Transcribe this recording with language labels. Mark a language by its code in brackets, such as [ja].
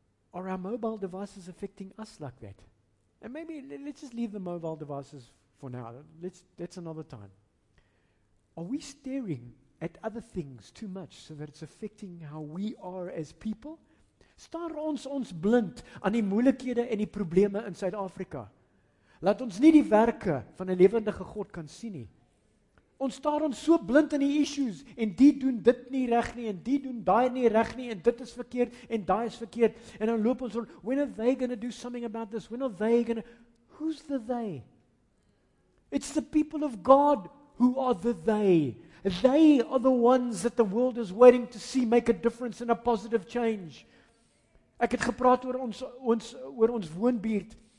[en] Are our mobile devices affecting us like that? And maybe let's just leave the mobile devices for now. That's another time. Are we staring at other things too much so that it's affecting how we are as people? [af] Staar ons blind aan die moeilikhede en die probleme in Suid-Afrika. Laat ons nie die werke van 'n lewendige God kan sien nie. Ons staar ons so blind in die issues en die doen dit nie reg nie en die doen daai nie reg nie en dit is verkeerd en daai is verkeerd en dan loop ons rond, [en] when are they going to do something about this? When are they going to... Who's the they? It's the people of God who are the they. They are the ones that the world is waiting to see make a difference and a positive change. [af] Ek het gepraat oor ons woonbuurt.